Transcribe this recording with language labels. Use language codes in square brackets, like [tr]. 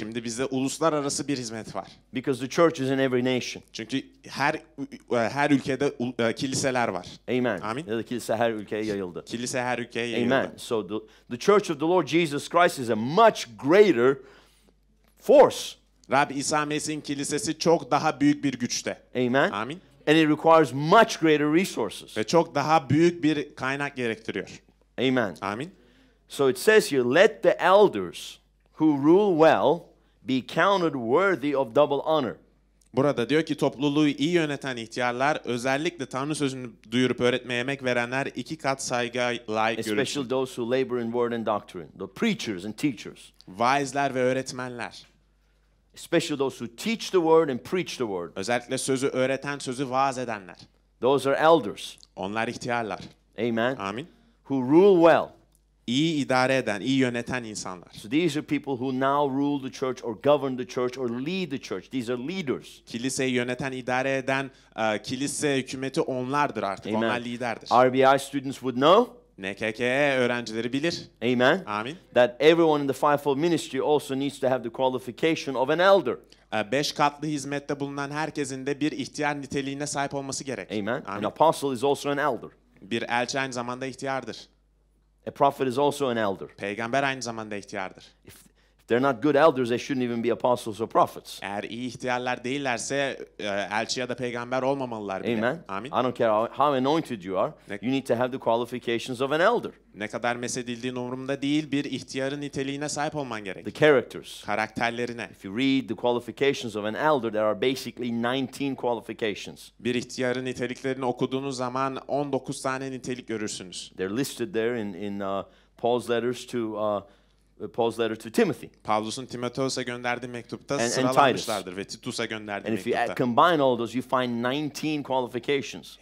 [tr] Şimdi bizde uluslararası bir hizmet var. [en] Because the church is in every nation. [tr] Çünkü her ülkede kiliseler var. [en] Amen. [tr] Amin. Ya da kilise her ülkeye yayıldı. Kilise her ülkeye yayıldı. [en] Amen. So the church of the Lord Jesus Christ is a much greater force. [tr] Rab İsa Mesih'in kilisesi çok daha büyük bir güçte. [en] Amen. [tr] Amin. [en] And it requires much greater resources. [tr] Ve çok daha büyük bir kaynak gerektiriyor. [en] Amen. [tr] Amin. [en] So it says here, let the elders who rule well be counted worthy of double honor. [tr] Burada diyor ki topluluğu iyi yöneten ihtiyarlar, özellikle Tanrı sözünü duyurup öğretmeye emek verenler iki kat saygı layık görülsün. [en] Especially those who labor in word and doctrine, the preachers and teachers. [tr] Vaizler ve öğretmenler. [en] Especially those who teach the word and preach the word. [tr] Özellikle sözü öğreten, sözü vaaz edenler. [en] Those are elders. [tr] Onlar ihtiyarlar. [en] Amen. [tr] Amin. [en] Who rule well. [tr] İyi idare eden, iyi yöneten insanlar. [en] So these are people who now rule the church or govern the church or lead the church. These are leaders. [tr] Kiliseyi yöneten, idare eden kilise hükümeti onlardır artık. [en] Amen. [tr] Onlar liderdir. [en] RBI students would know. [tr] NKK öğrencileri bilir. [en] Amen. [tr] Amin. [en] That everyone in the fivefold ministry also needs to have the qualification of an elder. [tr] Beş katlı hizmette bulunan herkesin de bir ihtiyar niteliğine sahip olması gerek. [en] Amen. Amin. An apostle is also an elder. [tr] Bir elçi aynı zamanda ihtiyardır. [en] A prophet is also an elder. [tr] Peygamber aynı zamanda ihtiyardır. [en] If they're not good elders, they shouldn't even be apostles or prophets. [tr] Eğer iyi ihtiyarlar değillerse elçi ya da peygamber olmamalılar bile. [en] Amen. [tr] Amin. [en] I don't care how anointed you are, you need to have the qualifications of an elder. [tr] Ne kadar mesedildiğin umurumda değil, bir ihtiyarın niteliğine sahip olman gerek. [en] The characters. [tr] Karakterlerine. [en] If you read the qualifications of an elder, there are basically 19 qualifications. [tr] Bir ihtiyarın niteliklerini okuduğunuz zaman 19 tane nitelik görürsünüz. [en] They're listed there in Paul's letters to Paul's letter to Timothy. [tr] Paulus'un Timoteus'a gönderdiği mektupta sıralamışlardır ve Titus'a gönderdiği mektupta. [en] And if you combine all those, you find 19 qualifications.